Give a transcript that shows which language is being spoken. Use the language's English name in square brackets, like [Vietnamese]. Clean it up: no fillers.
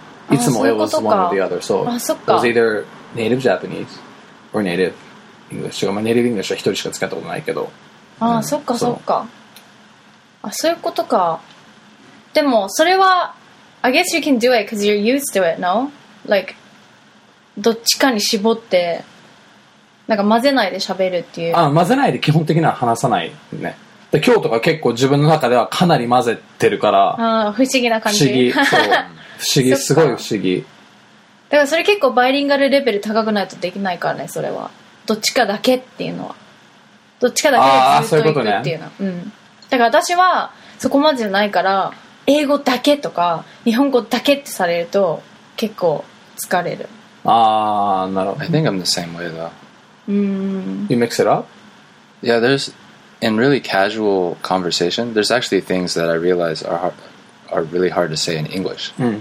[Japanese] いつも [English] it was one or the other. So, it was either native Japanese or native English. [Japanese] まあ、native English は一人しか使ったことないけど。ああ、そっかそっか。あ、そういうことか。でも、それは、 [English] I guess you can do it because you're used to it, no? [Japanese] Like,どっちかに絞ってなんか混ぜないで喋るっていう、あ、混ぜないで基本的には話さないね。で今日とか結構自分の中ではかなり混ぜてるから、あ、不思議な感じ、不思議、そう、不思議すごい不思議。だからそれ結構バイリンガルレベル高くないとできないからね。それはどっちかだけっていうのは、どっちかだけでずっと行くっていうのは、そういうことね。うん、だから私はそこまでじゃないから、英語だけとか日本語だけってされると結構疲れる。 [English] I think I'm the same way though. You mix it up? Yeah, there's in really casual conversation, there's actually things that I realize are really hard to say in English.